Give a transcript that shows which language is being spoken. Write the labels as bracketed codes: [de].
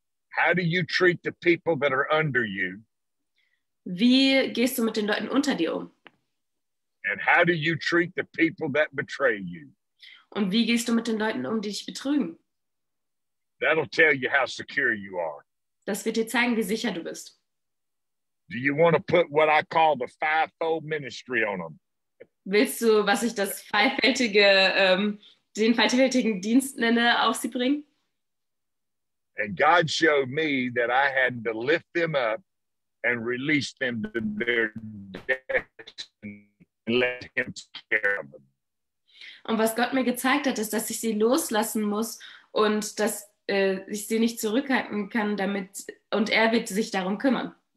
[en] How do you treat the people that are under you? [de] Wie gehst du mit den Leuten unter dir um? [en] And how do you treat the people that betray you? [de] Und wie gehst du mit den Leuten um, die dich betrügen? [en] That'll tell you how secure you are. [de] Das wird dir zeigen, wie sicher du bist. [en] Do you want to put what I call the fivefold ministry on them? [de] Willst du, was ich das fivefältige, den fivefältigen Dienst nenne, auf sie bringen? [en] And God showed me that I had to lift them up and release them to their destiny. Let him take care of them. [de] Und was Gott mir gezeigt hat, ist, dass ich sie loslassen muss und dass ich sie nicht zurückhalten kann, damit und er wird sich darum kümmern.